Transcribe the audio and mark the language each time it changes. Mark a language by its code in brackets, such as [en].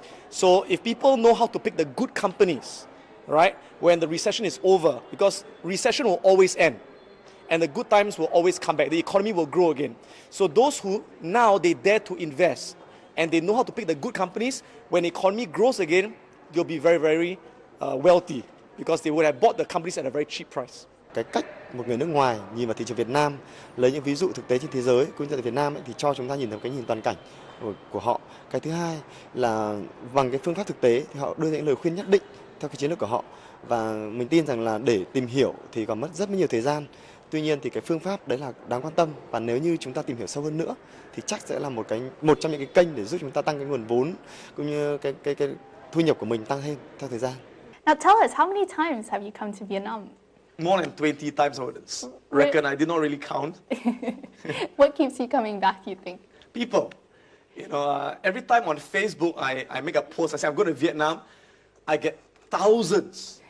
[en] So if people know how to pick the good companies, right, when the recession is over, because recession will always end, and the good times will always come back, the economy will grow again. So those who now, they dare to invest, and they know how to pick the good companies, when the economy grows again, you'll be very, very wealthy because they would have bought the companies at a very cheap price. [vi] Cái cách một người nước ngoài nhìn vào thị trường Việt Nam, lấy những ví dụ thực tế trên thế giới, cũng như tại Việt Nam ấy, thì cho chúng ta nhìn thấy cái nhìn toàn cảnh của họ. Cái thứ hai là bằng cái phương pháp thực tế, thì họ đưa những lời khuyên nhất định theo cái chiến lược của họ. Và mình tin rằng là để tìm hiểu thì còn mất rất nhiều thời gian. Tuy nhiên thì cái phương pháp đấy là đáng quan tâm, và nếu như chúng ta tìm hiểu sâu hơn nữa thì chắc sẽ là một trong những cái kênh để giúp chúng ta tăng cái nguồn vốn cũng như cái thu nhập của mình tăng thêm theo thời gian. [en] Now tell us, how many times have you come to Vietnam? More than 20 times, I reckon. I did not really count. What keeps you coming back, you think? People. You know, every time on Facebook, I make a post, I say, I'm going to Vietnam, I get thousands.